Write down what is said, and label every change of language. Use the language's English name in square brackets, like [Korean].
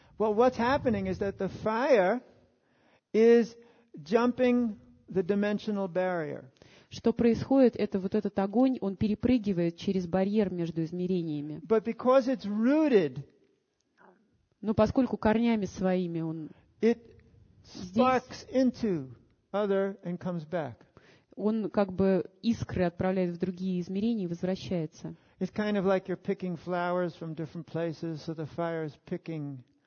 [English] Well, what's happening is that the fire is jumping the dimensional barrier. [Russian] Что происходит, это вот этот огонь, он перепрыгивает через барьер между измерениями. [English] But because it's rooted. [Russian] Но поскольку корнями своими он [English] sparks into other and comes back. [Russian] он как бы искры отправляет в другие измерения и возвращается. [English] It's kind of like you're picking flowers from different places, so the fire is picking.